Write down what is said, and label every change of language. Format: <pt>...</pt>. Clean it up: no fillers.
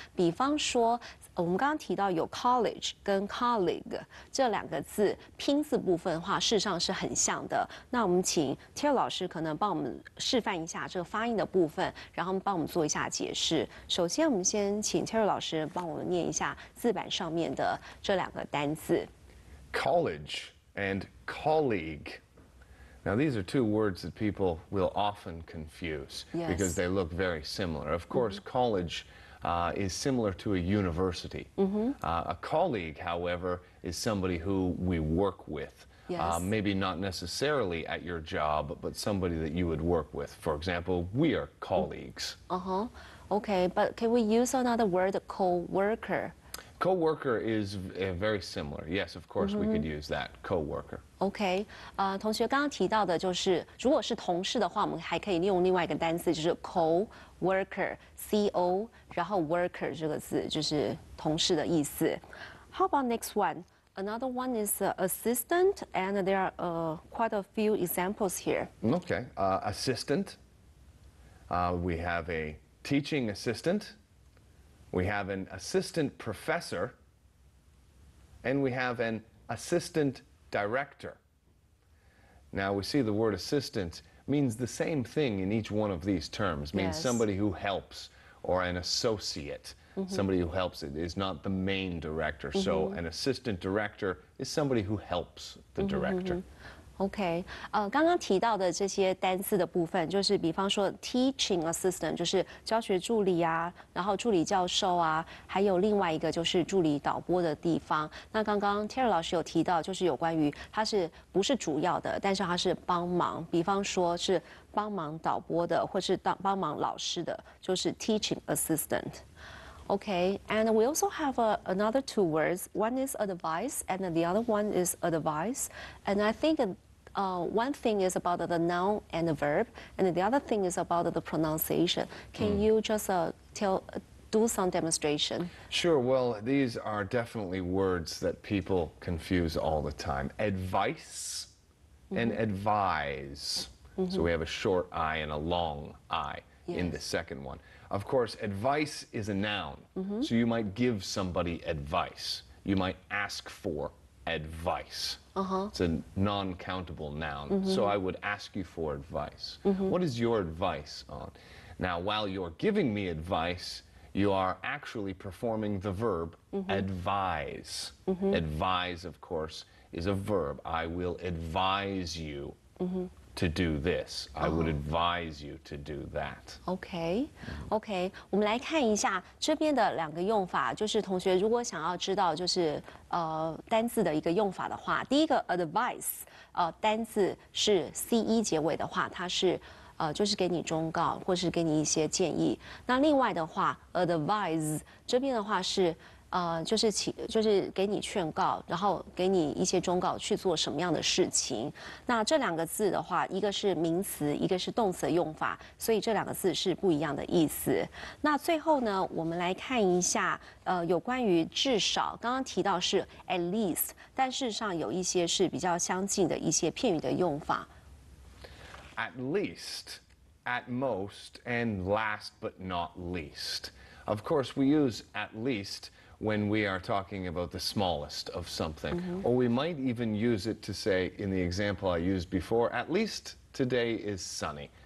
<zh>比方说，我们刚刚提到有 college 跟 colleague 这两个字拼字部分的话，事实上是很像的。那我们请 Terry 老师可能帮我们示范一下这个发音的部分，然后帮我们做一下解释。首先，我们先请 Terry 老师帮我们念一下字板上面的这两个单字。</zh> <en>College and colleague. Now, these are two words that people will often confuse. Yes. Because they look very similar. Of course, college is similar to a university. A colleague, however, is somebody who we work with. Yes. Maybe not necessarily at your job, but somebody that you would work with. For example, we are colleagues. Okay, but can we use another word, co-worker? Co-worker is very similar. Yes, of course, we could use that, co-worker.</en> <zh>Okay, 同学刚刚提到的就是，如果是同事的话，我们还可以利用另外一个单词，就是 co-worker, C-O, 然后 worker 这个字，就是同事的意思。</zh> <en>How about next one? Another one is assistant, and there are quite a few examples here. Okay, assistant. We have a teaching assistant. We have an assistant professor. And we have an assistant director. Now we see the word assistant means the same thing in each one of these terms. Means yes. Somebody who helps or an associate. Mm-hmm. Somebody who helps it is not the main director. Mm-hmm. So an assistant director is somebody who helps the director. Mm-hmm. Okay.</en> <zh>刚刚提到的这些单词的部分，就是比方说 teaching assistant 就是教学助理啊，然后助理教授啊，还有另外一个就是助理导播的地方。那刚刚 Terry 老师有提到，就是有关于他是不是主要的，但是他是帮忙，比方说是帮忙导播的，或是帮忙老师的，就是 teaching assistant。</zh> <en>Okay, and we also have another two words. One is advice, and the other one is advice. And I think one thing is about the noun and the verb, and the other thing is about the pronunciation. Can you just do some demonstration? Sure. Well, these are definitely words that people confuse all the time. Advice and advise. Mm-hmm. So we have a short I and a long I. Yes. In the second one. Of course, advice is a noun. Mm-hmm. So you might give somebody advice. You might ask for advice. Uh-huh. It's a non-countable noun. Mm-hmm. So I would ask you for advice. Mm-hmm. What is your advice on? Now, while you're giving me advice, you are actually performing the verb advise. Mm-hmm. Advise, of course, is a verb. I will advise you. Mm-hmm. To do this, I would advise you to do that. Okay, okay.</en> <zh>我们来看一下这边的两个用法，就是同学如果想要知道就是单字的一个用法的话，第一个 advice， 单字是 ce 结尾的话，它是就是给你忠告或是给你一些建议。那另外的话 ，advise 这边的话是。就是给你劝告，然后给你一些忠告去做什么样的事情。那这两个字的话，一个是名词，一个是动词的用法，所以这两个字是不一样的意思。那最后呢，我们来看一下，有关于至少，刚刚提到是 at least， 但事实上有一些是比较相近的一些片语的用法。</zh> <en>At least, at most, and last but not least. Of course, we use at least. When we are talking about the smallest of something. Mm-hmm. Or we might even use it to say, in the example I used before, at least today is sunny.</en>